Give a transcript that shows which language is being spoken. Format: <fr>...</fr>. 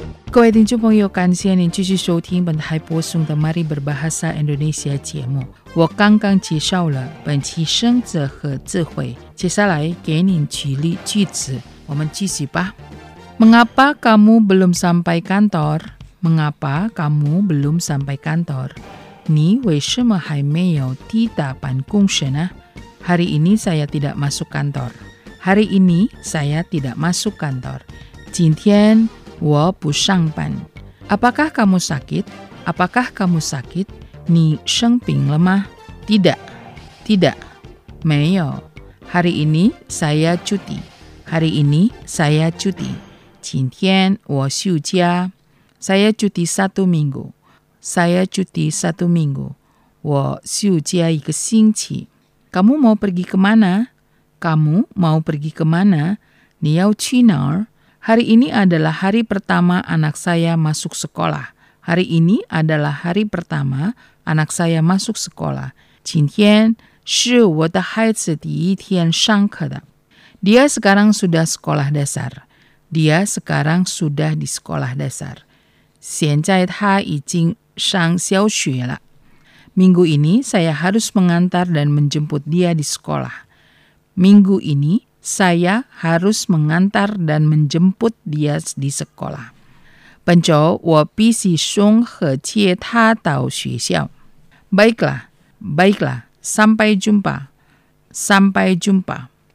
<zh>各位听众朋友，感谢您继续收听本台播送的 Mari Berbahasa Indonesia 节目。我刚刚介绍了本期生字和智慧，接下来给您举例句子，我们继续吧。</zh> <id>Mengapa kamu belum sampai kantor? Mengapa kamu belum sampai kantor?</id> <zh>你为什么还没有抵达办公室呢？</zh> <id>Hari ini saya tidak masuk kantor. Hari ini saya tidak masuk kantor.</id> <zh>今天我不上班。</zh> <id>Apakah kamu sakit? Apakah kamu sakit?</id> <zh>你生病了吗?</zh> <id>Tidak, tidak,</id> <zh>没有。</zh> <id>Hari ini saya cuti. Hari ini saya cuti.</id> <zh>今天我休假。</zh> <id>Saya cuti satu minggu. Saya cuti satu minggu.</id> <zh>我休假一个星期。</zh> <id>Kamu mau pergi kemana? Kamu mau pergi kemana?</id> <zh>你要去哪儿?</zh> <id>Hari ini adalah hari pertama anak saya masuk sekolah. Hari ini adalah hari pertama anak saya masuk sekolah.</id> <zh>今天是我的孩子第一天上课的。</zh> <id>Dia sekarang sudah sekolah dasar. Dia sekarang sudah di sekolah dasar.</id> <zh>现在他已经上小学了。</zh> <id>Minggu ini saya harus mengantar dan menjemput dia di sekolah. Minggu ini,Saya harus mengantar dan menjemput dia di sekolah.</id> <zh>Bancau, 我必须送和接他到学校。</zh> <id>Baiklah, baiklah, sampai jumpa, sampai jumpa.</id>